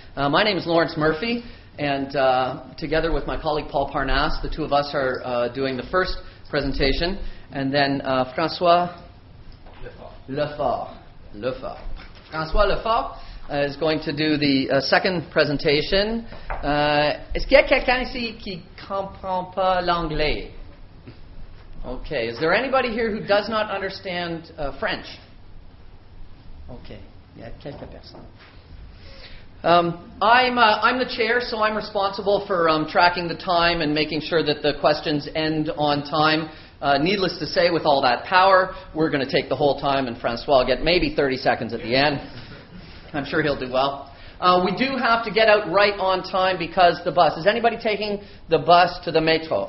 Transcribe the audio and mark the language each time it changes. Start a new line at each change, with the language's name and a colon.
English: My name is Lawrence Murphy, and together with my colleague Paul Parnasse, the two of us are doing the first presentation, and then François Lefort. François Lefort is going to do the second presentation.
French: Est-ce qu'il y a quelqu'un ici qui comprend pas l'anglais?
English: Okay, is there anybody here who does not understand French?
French: Okay, il y a quelques personnes.
English: I'm the chair, so I'm responsible for tracking the time and making sure that the questions end on time. Needless to say, with all that power, we're going to take the whole time, and François will get maybe 30 seconds at the end. I'm sure he'll do well. We do have to get out right on time because the bus. Is anybody taking the bus to the métro?